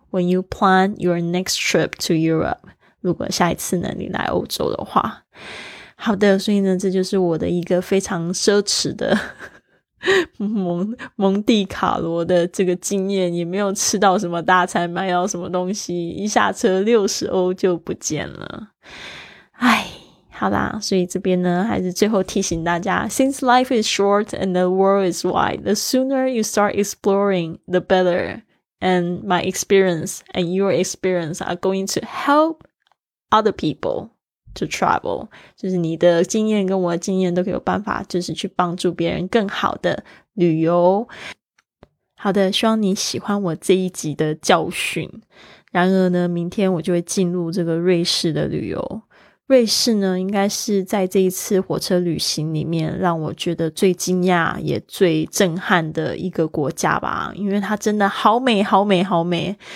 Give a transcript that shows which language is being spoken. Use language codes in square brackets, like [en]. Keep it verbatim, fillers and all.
[en] When you plan your next trip to Europe， [zh] 如果下一次呢你来欧洲的话。好的，所以呢这就是我的一个非常奢侈的蒙, 蒙地卡罗的这个经验，也没有吃到什么大餐，买到什么东西，一下车六十欧就不见了。唉，好啦，所以这边呢还是最后提醒大家， [en] Since life is short and the world is wide, the sooner you start exploring, the better. And my experience and your experience are going to help other people to travel. [zh] 就是你的经验跟我的经验都可以有办法就是去帮助别人更好的旅游。好的，希望你喜欢我这一集的教训。然而呢明天我就会进入这个瑞士的旅游。瑞士呢应该是在这一次火车旅行里面让我觉得最惊讶也最震撼的一个国家吧，因为它真的好美好美好美。